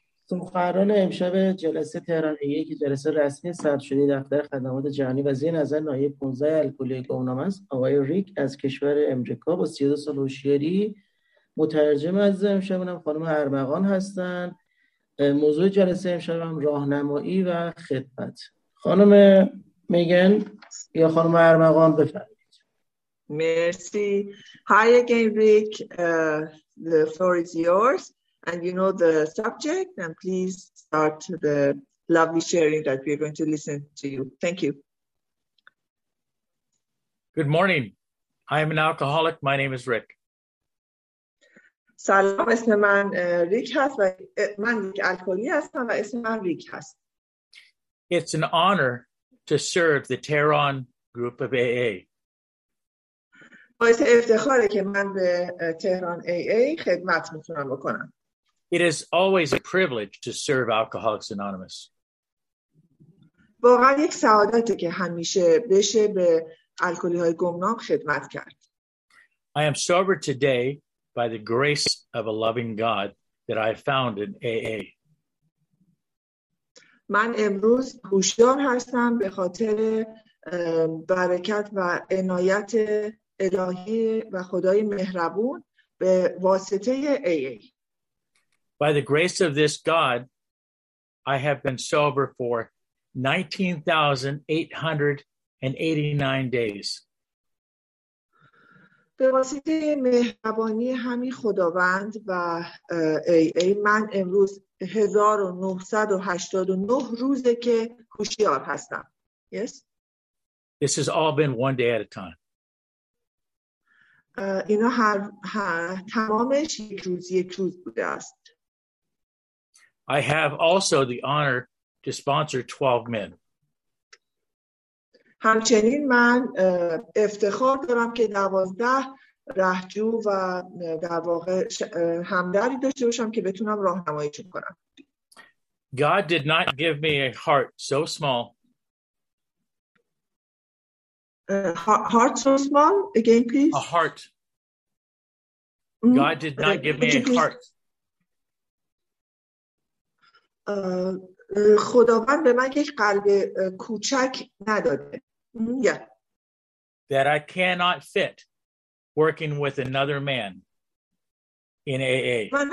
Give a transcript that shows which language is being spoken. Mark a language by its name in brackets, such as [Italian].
[Persian] سخنران امشب جلسه تهران ایه که جلسه رسمی ثبت شده دفتر خدمات جهانی و زیر نظر نایب 15 الکلی گمنام است آقای ریک از کشور امریکا با 32 سال هوشیاری. مترجم عزیز امشب اونم خانم ارمغان هستن. موضوع جلسه امشب هم راهنمایی و خدمت. خانم میگن یا خانم ارمغان بفرمایید. [English] Merci. Hi again, Rick. The floor is yours, and you know the subject, and please start the lovely sharing that we're going to listen to you. Thank you. Good morning. I am an alcoholic. My name is Rick. [Persian] Salam, اسم من ریک هست و من یک الکلی هستم و اسم من ریک هست. [English] It's an honor to serve the Tehran group of AA. [Persian] باعث افتخاره که من به تهران AA خدمت میتونم بکنم. [English] It is always a privilege to serve Alcoholics Anonymous. [Persian] واقعا یک سعادته که همیشه بشه به الکلی های گمنام خدمت کرد. [English] I am sober today by the grace of a loving God that I found in AA. [Persian] من امروز هوشیار هستم به خاطر برکت و عنایت الهی و خدای مهربون به واسطه AA. [English] By the grace of this God, I have been sober for 19,889 days. [Persian] به واسطه مهربانی همین خداوند و AA من امروز 1989 روزه که هوشیار هستم. [English] Yes? This has all been one day at a time. [Persian] اینا هر تمامش یک روز یک روز بوده است. [English] I have also the honor to sponsor 12 men. [Persian] همچنین من افتخار دارم که 12 رهجو و در واقع همدری داشته باشم که بتونم راهنماییشون کنم. [English] God did not give me a heart so small. Heart so small? Again, please. A heart. God did not give me a heart. [Persian] خداوند به من یک قلب کوچک نداده. [English] That I cannot fit working with another man in AA.